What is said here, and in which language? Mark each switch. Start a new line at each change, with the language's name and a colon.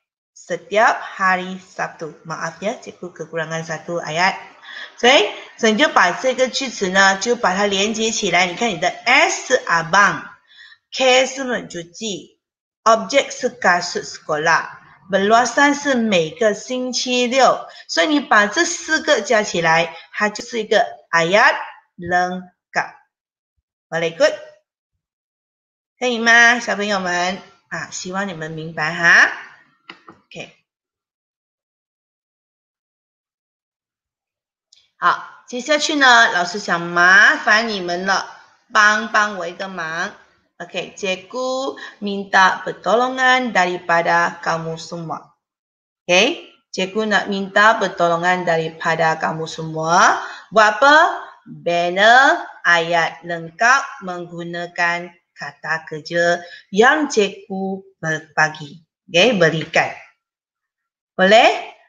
Malay: Setiap hari Sabtu. Maaf ya, cikgu kekurangan satu ayat.
English: Okay, so you just
Chinese: 把这个句子呢，就把它连接起来。你看，你的 S 是 abang， K 是 mencuci， object 是 kasut sekolah。 Perluasan 是每个星期六，所以你把这四个加起来，它就是一个
Malay: ayat lengkap.
English: Very good，
Chinese: 可以吗，小朋友们？啊，希望你们明白哈。 OK， 好，接下去呢，老师想麻烦你们了，帮我一个忙。
Malay: Okey, cikgu minta pertolongan daripada kamu semua. Okey, cikgu nak minta pertolongan daripada kamu semua. Buat apa? Banner ayat lengkap menggunakan kata kerja yang cikgu bagi. Okey, berikan. Boleh?